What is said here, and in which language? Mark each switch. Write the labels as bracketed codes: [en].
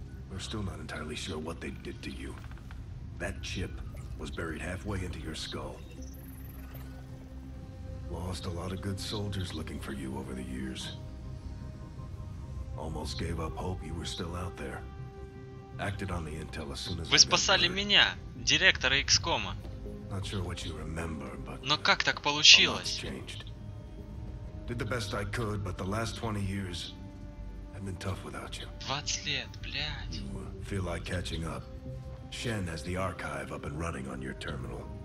[en] We're still not entirely sure what they did to you. That chip was buried halfway into your skull. Lost a lot of good soldiers looking for you over the years. Almost gave up hope you were still out there. Acted on the intel as soon as [ru] Вы спасали меня, директора X-кома. [en] Not sure what you remember, but [ru] Но как так получилось? [en] Did the best I could, but the last 20 years have been tough without you. [ru] 20 лет, блядь. [en] You feel like catching up. Shen has the archive up and running on your terminal.